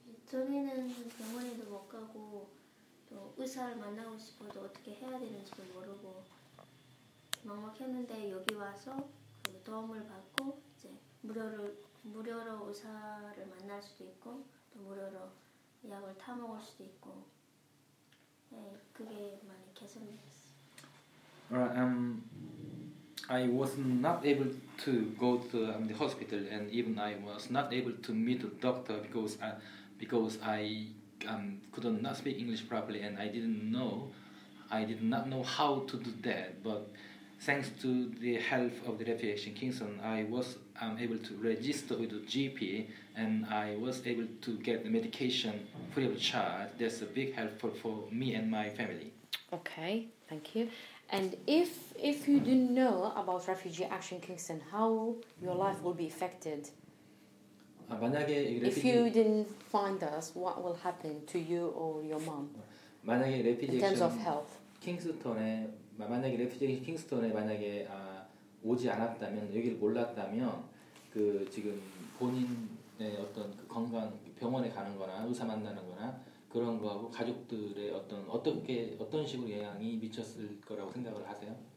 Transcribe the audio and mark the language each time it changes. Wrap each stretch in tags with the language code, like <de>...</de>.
<ko>저희는 병원에도 못 가고 또 의사를 만나고 싶어도 어떻게 해야 되는지도 모르고 막막했는데 여기 와서 그 도움을 받고 이제 무료로 의사를 만날 수도 있고 또 무료로 약을 타 먹을 수도 있고 네, 그게 많이 개선됐어요.</ko> <en>Alright, I was not able to go to the hospital and even I was not able to meet the doctor because I could not speak English properly, and I did not know how to do that. But thanks to the help of the Refugee Action Kingston, I was able to register with the GP, and I was able to get the medication free of charge. That's a big help for me and my family. Okay, thank you. And if you didn't know about Refugee Action Kingston, how your life will be affected? If you didn't find us, what will happen to you or your mom?</en> <ko>만약에</ko> <en>in terms of health,</en> <ko>킹스턴에 만약에 레피지 킹스턴에 만약에 오지 않았다면 여기를 몰랐다면 그 지금 본인의 어떤 그 건강 병원에 가는거나 의사 만나는거나 그런 거하고 가족들의 어떤 식으로 영향이 미쳤을 거라고 생각을 하세요?</ko>